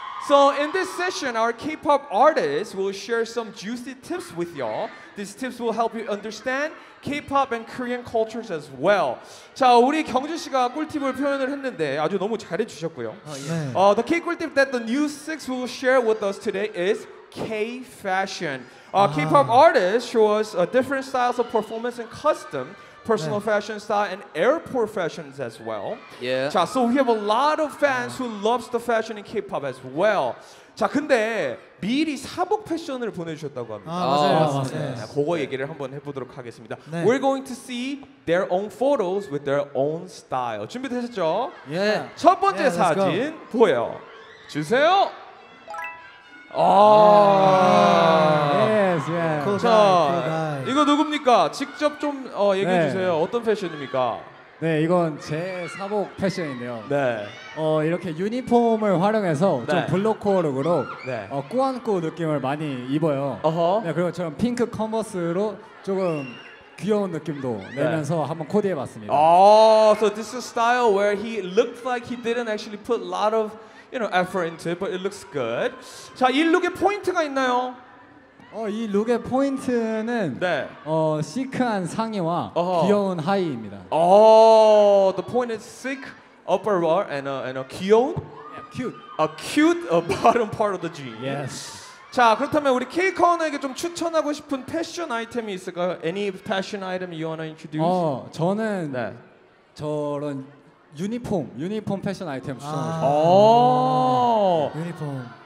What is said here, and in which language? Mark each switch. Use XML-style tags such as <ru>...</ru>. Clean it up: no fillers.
<en>So in this session, our K-pop artists will share some juicy tips with y'all. These tips will help you understand K-pop and Korean cultures as well.</en> <ko>자, 우리 경준 씨가 꿀팁을 표현을 했는데 아주 너무 잘해주셨고요.</ko> <en>Yeah. The K-꿀팁 that the New Six will share with us today is K-fashion. K-pop artists show us different styles of performance and custom. Personal 네. fashion style and airport fashions as well. Yeah.</en> <ko>자,</ko> <en>so we have a lot of fans who loves the fashion in K-pop as well.</en> <ko>자, 근데 미리 사복 패션을 보내주셨다고 합니다. 아, 맞아요. 아, 맞아요. 맞아요. 네. 그거 얘기를 한번 해보도록 하겠습니다. 네.</ko> <en>We're going to see their own photos with their own style.</en> <ko>준비되셨죠?</ko> <en>Yeah.</en> <ko>첫 번째</ko> <en>yeah,</en> <ko>사진 보여 주세요. 아. 예. 예스, 예. 코다이, 자, 코다이. 이거 누굽니까? 직접 좀 얘기해 네. 주세요. 어떤 패션입니까? 네, 이건 제 사복 패션인데요. 네. 이렇게 유니폼을 활용해서 네. 좀 블록코어룩으로 네. 꾸안꾸 느낌을 많이 입어요. 어허. 네, 그리고 저는 핑크 컨버스로 조금 귀여운 느낌도 내면서 네. 한번 코디해 봤습니다.</ko> <en>Oh, so this is style where he looked like he didn't actually put a lot of, you know, effort into it, but it looks good.</en> <ko>자, 이 룩의 포인트가 있나요? 이 룩의 포인트는 네. 시크한 상의와 uh-huh. 귀여운 하의입니다.</ko> <en>Oh, the point is sick upper part and a</en> <ko>귀여운?</ko> <en>Yeah, cute. A cute bottom part of the jean. Yes.</en> <ko>자, 그렇다면 우리 케이커원에게 좀 추천하고 싶은 패션 아이템이 있을까요?</ko> <en>Any fashion item you wanna introduce?</en> <ko>저는 네. 저런 유니폼 패션 아이템 추천합니다. 유니폼.</ko>